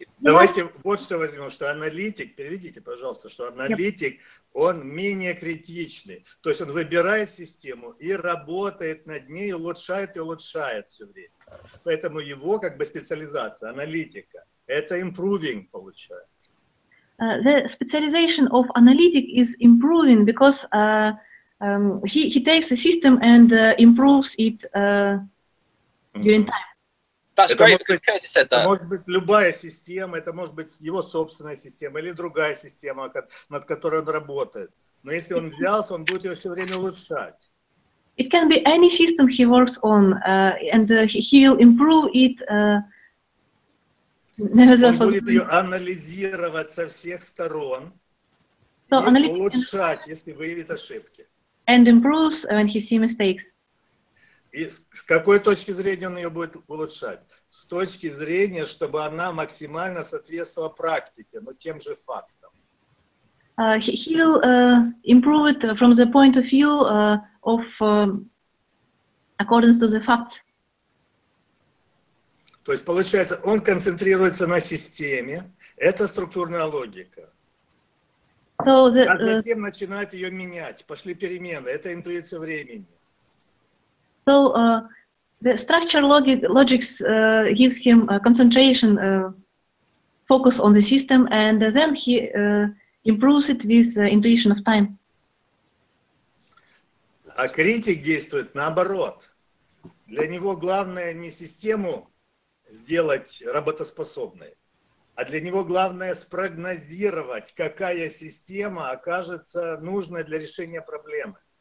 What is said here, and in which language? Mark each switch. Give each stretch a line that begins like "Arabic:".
Russian: Давайте вот что возьмем, что аналитик, переведите, пожалуйста, что аналитик, он менее критичный. То есть он выбирает систему и работает над ней, улучшает и улучшает все время. Поэтому его как бы специализация, аналитика, это improving получается.
English: The specialization of analytic is improving because he takes a system and improves it during time. That's great, because Curtis said that.
Russian: Это может быть любая система, это может быть его собственная система или другая система, над которой он работает. Но если он взялся, он будет ее все время улучшать.
English: It can be any system he works on, and he'll improve it.
Russian: Он будет ее анализировать со всех сторон и улучшать, если выявит ошибки.
English: And improves when he sees mistakes.
Russian: И с какой точки зрения он ее будет улучшать? С точки зрения, чтобы она максимально соответствовала практике, но тем же фактам.
English: He'll improve it from the point of view of according to the facts.
Russian: То есть получается, он концентрируется на системе, это структурная логика.
English: So the,
Russian: а затем начинает ее менять, пошли перемены, это интуиция времени.
English: So the structure logics gives him concentration, focus on the system, and then he improves it with intuition of time.
Russian: А критик действует наоборот. Для него главное не систему сделать работоспособной, а для него главное спрогнозировать, какая система окажется нужной для решения проблемы.